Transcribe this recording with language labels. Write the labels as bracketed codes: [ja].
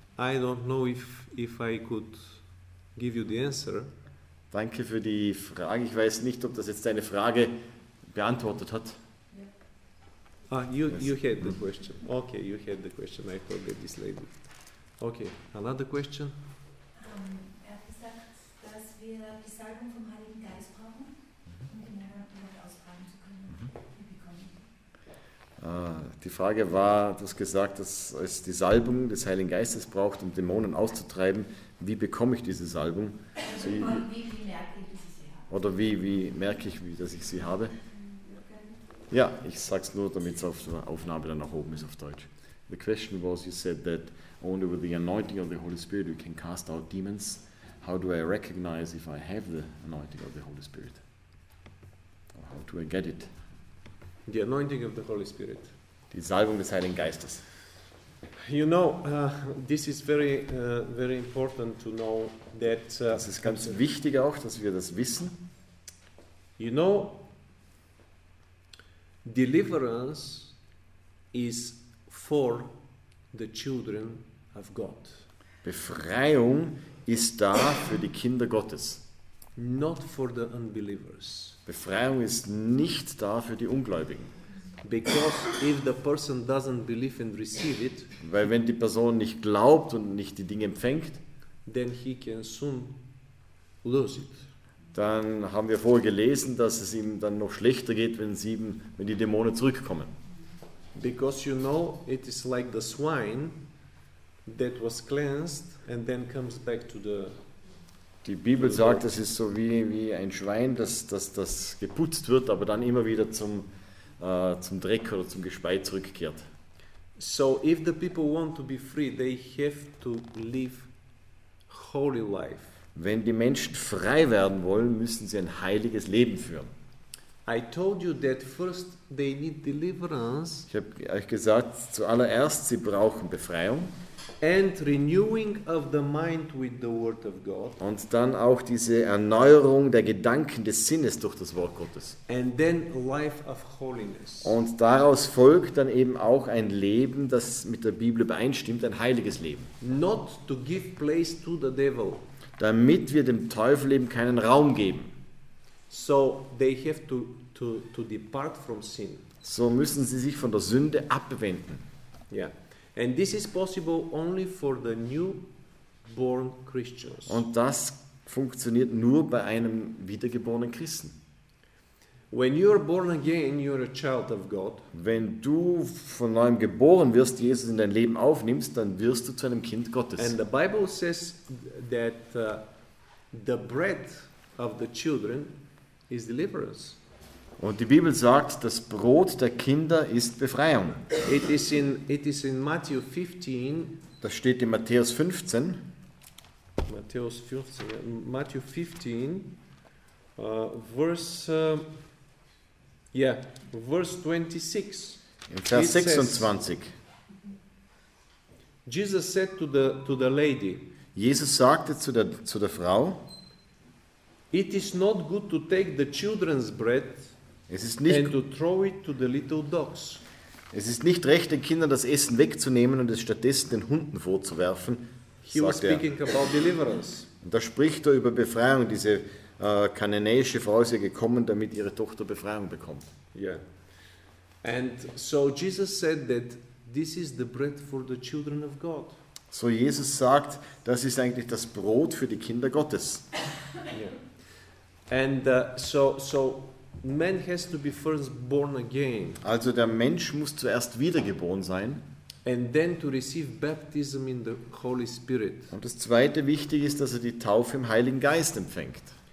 [en] I don't know if I could give you the answer. [de] Danke für die Frage. Ich weiß nicht, ob das jetzt deine Frage beantwortet hat. [en] Ah, you had the question. Okay, you had the question. I forget this lady. Okay, another question. [de] Er hat gesagt, dass wir die Salbung vom Heiligen Geist brauchen, um den Herrn Gott ausfragen zu können. Die Frage war, du hast gesagt, dass es die Salbung des Heiligen Geistes braucht, um Dämonen auszutreiben. Wie bekomme ich diese Salbung? Also, wie merke ich, dass ich sie habe? Oder wie merke ich, dass ich sie habe? Ja, ich sag's nur, damit es auf der Aufnahme dann nach oben ist auf Deutsch. [en] The question was, you said that only with the anointing of the Holy Spirit we can cast out demons. How do I recognize if I have the anointing of the Holy Spirit? Or how do I get it? The anointing of the Holy Spirit. [de] Die Salbung des Heiligen Geistes. [en] You know, this is very, very important to know that. [de] Das ist ganz wichtig auch, dass wir das wissen. [en] You know, deliverance is for the children of God. [de] Befreiung ist da für die Kinder Gottes. [en] Not for the unbelievers. [de] Befreiung ist nicht da für die Ungläubigen. [en] Because if the person doesn't believe and receive it, [de] weil wenn die Person nicht glaubt und nicht die Dinge empfängt, [en] then he can soon lose it. [de] Dann haben wir vorher gelesen, dass es ihm dann noch schlechter geht, wenn die Dämonen zurückkommen. [en] Because you know, it is like the swine that was cleansed and then comes back to the. [de] Die Bibel sagt, es ist so wie ein Schwein, das geputzt wird, aber dann immer wieder zum Dreck oder zum Gespei zurückkehrt. [en] So, if the people want to be free, they have to live holy life. [de] Wenn die Menschen frei werden wollen, müssen sie ein heiliges Leben führen. [en] I told you that first they need deliverance. [de] Ich habe euch gesagt, zuallererst sie brauchen Befreiung. [en] And renewing of the mind with the word of God. [de] Und dann auch diese Erneuerung der Gedanken des Sinnes durch das Wort Gottes. [en] And then life of holiness. [de] Und daraus folgt dann eben auch ein Leben, das mit der Bibel übereinstimmt, ein heiliges Leben. [en] Not to give place to the devil. [de] Damit wir dem Teufel eben keinen Raum geben. [en] So they have to depart from sin. [de] So müssen sie sich von der Sünde abwenden. [en] Yeah. And this is possible only for the new born Christians. [de] Und das funktioniert nur bei einem wiedergeborenen Christen. [en] When you are born again, you are a child of God. [de] Wenn du von neuem geboren wirst, Jesus in dein Leben aufnimmst, dann wirst du zu einem Kind Gottes. [en] And the Bible says that the bread of the children is deliverance. [de] Und die Bibel sagt, das Brot der Kinder ist Befreiung. [en] It is in Matthew 15. [de] Das steht in Matthäus 15. [en] Matthäus 15. Matthew 15, verse 26. [de] In Vers 26. [en] Jesus said to the lady. [de] Jesus sagte zu der Frau. [en] It is not good to take the children's bread. [de] Es ist nicht, [en] and to throw it to the little dogs. [de] Es ist nicht recht, den Kindern das Essen wegzunehmen und es stattdessen den Hunden vorzuwerfen. [en] He was speaking about deliverance. [de] Und da spricht er über Befreiung. Diese kananäische Frau ist ja gekommen, damit ihre Tochter Befreiung bekommt. [en] Yeah. And so Jesus said that this is the bread for the children of God. [de] So Jesus sagt, das ist eigentlich das Brot für die Kinder Gottes. [en] Yeah. And so man has to be first born again. [de] Also der Mensch muss zuerst wiedergeboren sein. [en] And then to receive baptism in the Holy Spirit. [de] Und das zweite wichtig ist, dass er die Taufe im Heiligen Geist empfängt.